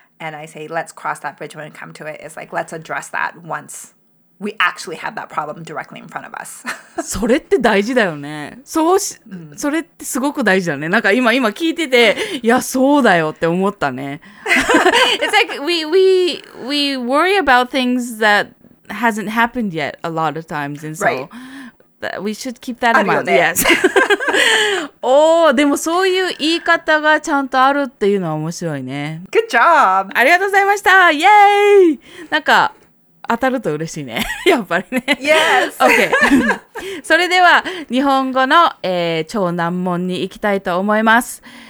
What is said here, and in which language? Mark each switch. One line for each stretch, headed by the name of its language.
English: and I say, let's cross that bridge when we come to it, it's like, let's address that once we actually have that problem directly in front of us.
Japanese: それって大事だよね。そうし、それってすごく大事だね。なんか今聞いてて、いや、そうだよって思ったね。
English: It's like, we worry about things that hasn't happened yet a lot of times, and so...、Right. We should keep that in mind. Yes.
Japanese: Oh, でもそういう言い方がちゃんとあるっていうのは面白いね。
English: Good job.
Japanese: ありがとうございました。
English: Yay!
Japanese: なんか当たると嬉しいね。やっぱりね。
English: Yes. Okay.
Japanese: それでは日本語の、超難問に行きたいと思います。